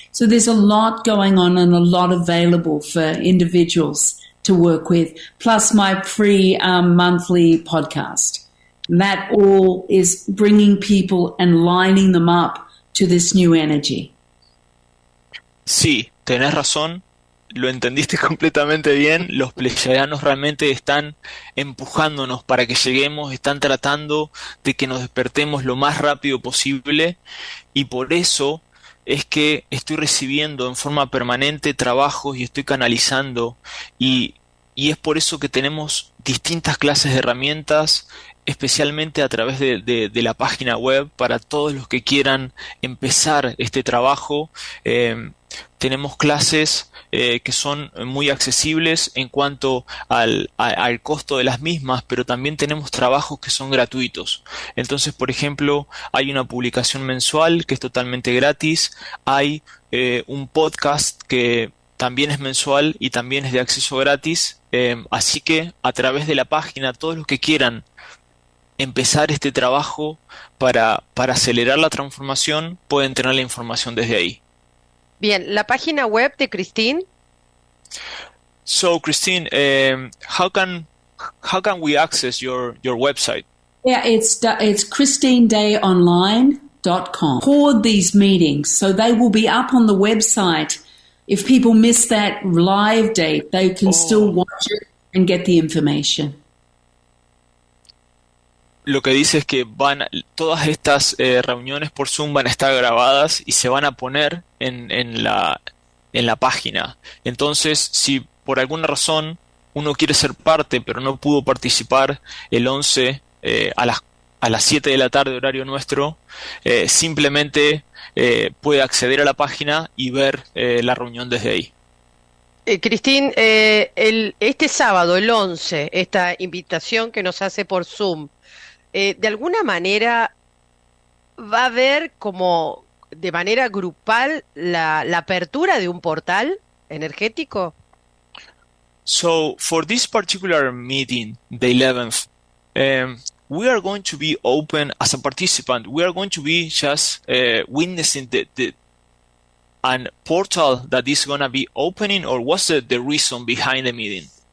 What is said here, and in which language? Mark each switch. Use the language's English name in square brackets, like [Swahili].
[English] So there's a lot going on and a lot available for individuals to work with, plus my free monthly podcast. And that all is bringing people and lining them up to this new energy. [Spanish] Sí, tenés razón, lo entendiste completamente bien. Los pleyadianos realmente están empujándonos para que lleguemos, están tratando de que nos despertemos lo más rápido posible, y por eso es que estoy recibiendo en forma permanente trabajos y estoy canalizando, y es por eso que tenemos distintas clases de herramientas, especialmente a través de la página web, para todos los que quieran empezar este trabajo. Tenemos clases que son muy accesibles en cuanto al costo de las mismas, pero también tenemos trabajos que son gratuitos. Entonces, por ejemplo, hay una publicación mensual que es totalmente gratis, hay un podcast que también es mensual y también es de acceso gratis. Así que a través de la página, todos los que quieran empezar este trabajo para acelerar la transformación, pueden tener la información desde ahí. Bien, la página web de Christine. [English] So, Christine, how can we access your website? It's ChristineDayOnline.com. Record these meetings so they will be up on the website. If people miss that live date, they can still Oh. watch it and get the information. [Spanish] Lo que dice es que todas estas reuniones por Zoom van a estar grabadas y se van a poner en la página. Entonces, si por alguna razón uno quiere ser parte, pero no pudo participar el 11 a las 7 de la tarde, horario nuestro, simplemente puede acceder a la página y ver la reunión desde ahí. Cristín, este sábado, el 11, esta invitación que nos hace por Zoom, ¿de alguna manera va a haber como de manera grupal la apertura de un portal energético? [English] So, for this particular meeting, the 11th, we are going to be open as a participant. We are going to be just witnessing the an portal that is going to be opening, or what's the reason behind the meeting?